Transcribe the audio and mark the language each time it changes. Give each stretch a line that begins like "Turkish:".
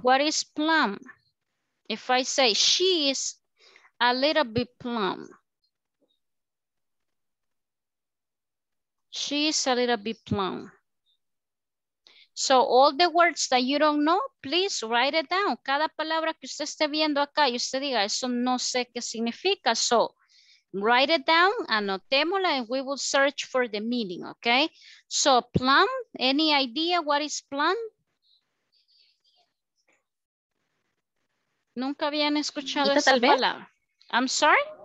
English: What is plum? If I say she is a little bit plum. She is a little bit plum. So all the words that you don't know, please write it down.
Spanish: Cada palabra que usted esté viendo acá y usted diga, eso no sé qué significa.
English: So write it down,
Spanish: anotémosla,
English: and we will search for the meaning, okay? So plum, any idea what is plum?
Spanish: Nunca habían escuchado esa palabra.
English: I'm sorry?